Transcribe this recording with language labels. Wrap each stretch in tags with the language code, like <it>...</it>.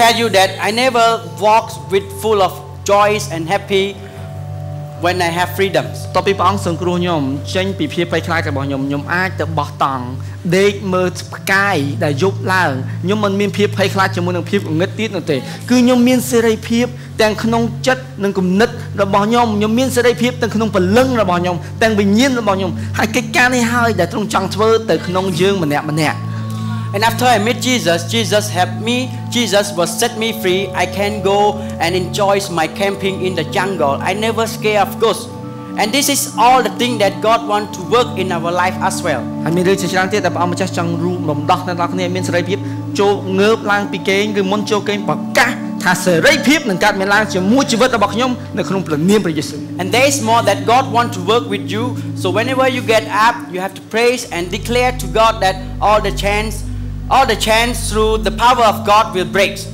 <en>tell you that I never walk with full of joy and happy. When I have freedom</en> <km>តពីព្រះអង្គសង្គ្រោះខ្ញុំចេញពីភាពភ័យខ្លាចរបស់ខ្ញុំខ្ញុំអាចទៅបោះតង់ដេកមើលផ្កាយដែលយប់ឡើងខ្ញុំមិនមានភាពភ័យខ្លាចជាមួយនឹងភាពងឹតទៀតនោះទេគឺខ្ញុំមានសេរីភាពទាំងក្នុងចិត្តនិងគំនិតរបស់ខ្ញុំខ្ញុំមានសេរីភាពទាំងក្នុងព្រលឹងរបស់ខ្ញុំទាំងវិញ្ញាណរបស់ខ្ញុំហើយកិច្ចការនេះហើយដែលទ្រង់ចង់ធ្វើទៅក្នុងយើងម្នាក់ម្នាក់</km> <en>And after I met Jesus, Jesus helped me. Jesus was set me free. I can go and enjoy my camping in the jungle. I never scared of ghosts. And this is all the thing that God want to work in our life as well.</en> <km>ហើយមានរឿងជាច្រើនទៀតដែលព្រះអម្ចាស់ចង់រំដោះអ្នកទាំងអស់គ្នាឲ្យមានសេរីភាពចូលងើបឡើងពីគេងឬមុនចូលគេងប្រកាសថាសេរីភាពនឹងកើតមានឡើងជាមួយជីវិតរបស់ខ្ញុំនៅក្នុងព្រះនាមព្រះយេស៊ូវ</km> <en>And there is more that God want to work with you. So whenever you get up, you have to praise and declare to God that all the chains through the power of God will break.</en>